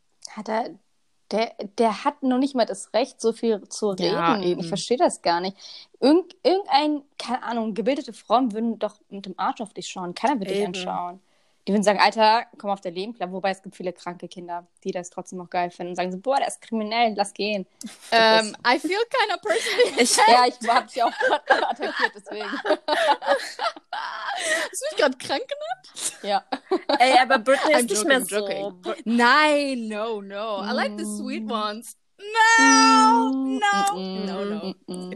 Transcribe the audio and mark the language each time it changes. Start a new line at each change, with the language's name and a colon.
German: Hat er, der hat noch nicht mal das Recht, so viel zu reden. Ja, eben. Ich verstehe das gar nicht. Irgendein, keine Ahnung, gebildete Frauen würden doch mit dem Arsch auf dich schauen, keiner würde dich anschauen. Die würden sagen, Alter, komm auf dein Leben. Klar, wobei es gibt viele kranke Kinder, die das trotzdem noch geil finden. Und sagen so, boah, der ist kriminell, lass gehen.
English: I feel kind of personally.
German: Ich hab dich auch attackiert, deswegen. Hast du mich gerade krank genannt? Ja. Ey, aber Britney ist nicht mehr so. Nein,
English: no, no. I like the sweet ones. No, no.